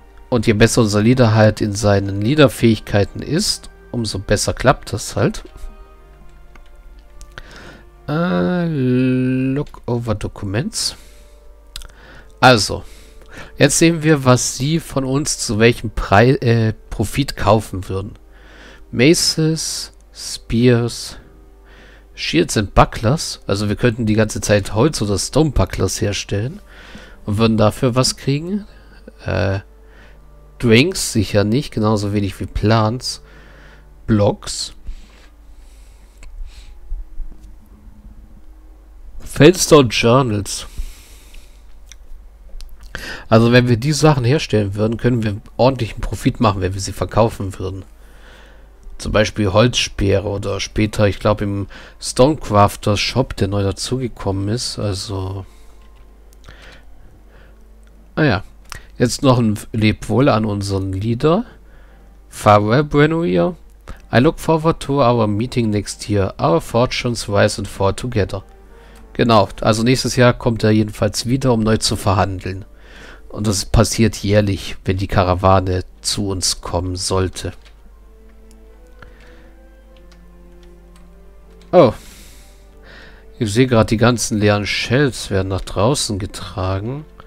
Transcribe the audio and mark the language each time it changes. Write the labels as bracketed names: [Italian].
[German] Und je besser unser Leader halt in seinen Leaderfähigkeiten ist, umso besser klappt das halt. [English] Look over Documents. [German] Also, jetzt sehen wir, was sie von uns zu welchem Profit kaufen würden. [English] Maces, Spears, Shields and Bucklers. [German] Also wir könnten die ganze Zeit Holz oder Stone Bucklers herstellen und würden dafür was kriegen. Drinks sicher nicht, genauso wenig wie Plants. Blocks. Fenster und Journals. Also wenn wir die Sachen herstellen würden, können wir ordentlichen Profit machen, wenn wir sie verkaufen würden. Zum Beispiel Holzspeere oder später, ich glaube, im Stonecrafter Shop, der neu dazugekommen ist. Also, naja, jetzt noch ein Lebwohl an unseren Leader. [English] Farewell, Brenuir. I look forward to our meeting next year. Our fortunes rise and fall together. [German] Genau, also nächstes Jahr kommt er jedenfalls wieder, um neu zu verhandeln. Und das passiert jährlich, wenn die Karawane zu uns kommen sollte. Oh. Ich sehe gerade, die ganzen leeren Shells werden nach draußen getragen.